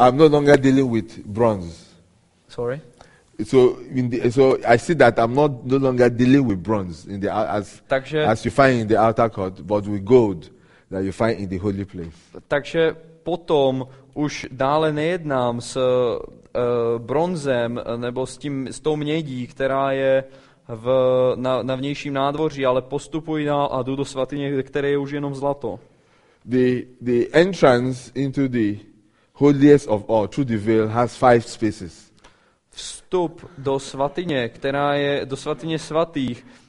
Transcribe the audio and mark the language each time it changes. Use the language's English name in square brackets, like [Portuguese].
[English] I'm no longer dealing with bronze. Sorry. So I see that I'm not no longer dealing with bronze in the as you find in the outer court, but with gold that you find in the holy place. [Czech] Takže potom už dále nejednám s bronzem nebo s tou mědí, která je na vnějším nádvoří, ale postupuji dál a jdu do svatyně, které je už jenom zlato. [English] The entrance into the holiest of all through the veil has five spaces. [Czech] Vstup do svatyně, která je do svatyně svatých.